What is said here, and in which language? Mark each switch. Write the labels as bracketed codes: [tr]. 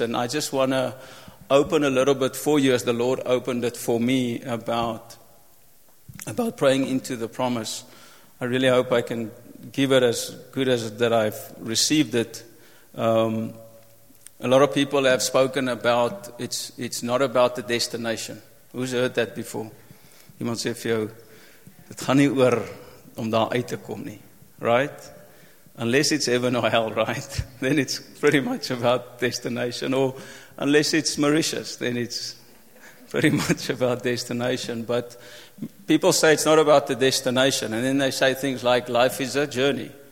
[en] And I just want to open a little bit for you, as the Lord opened it for me, about praying into the promise. I really hope I can give it as good as that I've received it. A lot of people have spoken about it's not about the destination. Who's heard that before? [af] Iemand sê vir jou, dit gaan nie oor om daar uit te kom nie. [en] Right? Unless it's heaven or hell, right? Then it's pretty much about destination. Or unless it's Mauritius, then it's pretty much about destination. But people say it's not about the destination. And then they say things like, life is a journey.